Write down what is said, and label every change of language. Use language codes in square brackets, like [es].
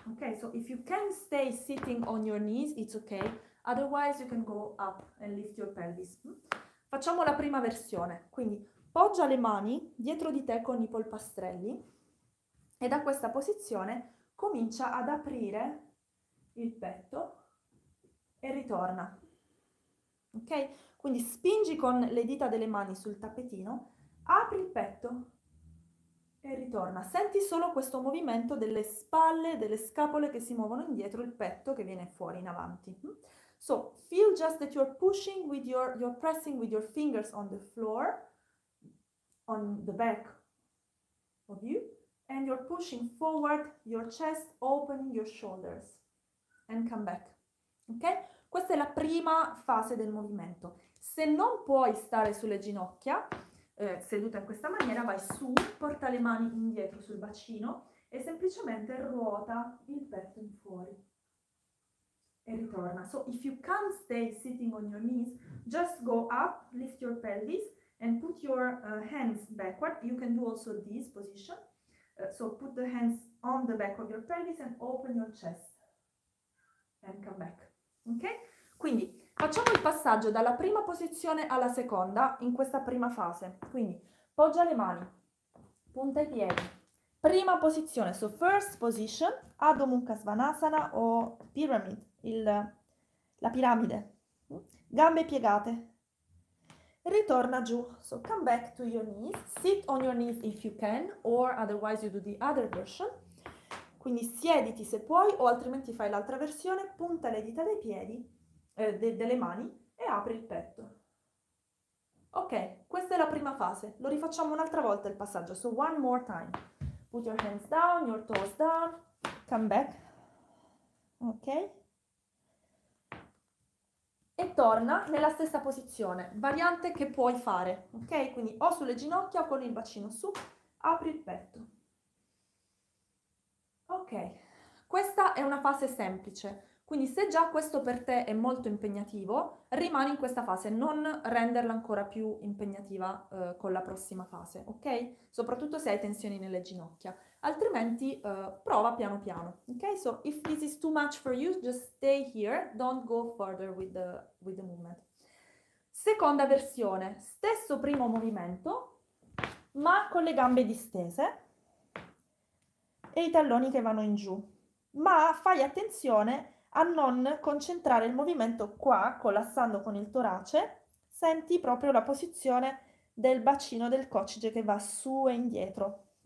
[en] Ok, so if you can stay sitting on your knees, it's okay. Otherwise you can go up and lift your pelvis. [it] Facciamo la prima versione, quindi poggia le mani dietro di te con i polpastrelli e da questa posizione comincia ad aprire il petto e ritorna. Ok? Quindi spingi con le dita delle mani sul tappetino, apri il petto e ritorna. Senti solo questo movimento delle spalle, delle scapole che si muovono indietro, il petto che viene fuori in avanti. [en] So, feel just that you're pushing with you're pressing with your fingers on the floor, on the back of you, and you're pushing forward your chest, opening your shoulders, and come back. [it] Ok? Questa è la prima fase del movimento. Se non puoi stare sulle ginocchia, seduta in questa maniera, vai su, porta le mani indietro sul bacino e semplicemente ruota il petto in fuori. E ritorna. [en] So, if you can't stay sitting on your knees, just go up, lift your pelvis, and put your hands backward. You can do also this position. So put the hands on the back of your pelvis and open your chest. And come back. Ok? [it] Quindi facciamo il passaggio dalla prima posizione alla seconda in questa prima fase. Quindi poggia le mani, punta i piedi. Prima posizione, [en] so first position, [it] Adho Mukha Svanasana o pyramid, la piramide. Gambe piegate. Ritorna giù, [en] so come back to your knees, sit on your knees if you can, or otherwise you do the other version. [it] Quindi siediti se puoi, o altrimenti fai l'altra versione, punta le dita dei piedi, delle mani, e apri il petto. Ok, questa è la prima fase, lo rifacciamo un'altra volta il passaggio, [en] so one more time. Put your hands down, your toes down, come back. Ok. [it] E torna nella stessa posizione, variante che puoi fare, ok? Quindi o sulle ginocchia o con il bacino su, apri il petto. Ok, questa è una fase semplice, Quindi se già questo per te è molto impegnativo, rimani in questa fase, non renderla ancora più impegnativa con la prossima fase, ok? Soprattutto se hai tensioni nelle ginocchia. Altrimenti prova piano piano, ok? [en] So if this is too much for you, just stay here, don't go further with the movement. [it] Seconda versione, stesso primo movimento, ma con le gambe distese e i talloni che vanno in giù. Ma fai attenzione a non concentrare il movimento qua, collassando con il torace, senti proprio la posizione del bacino del coccige che va su e indietro.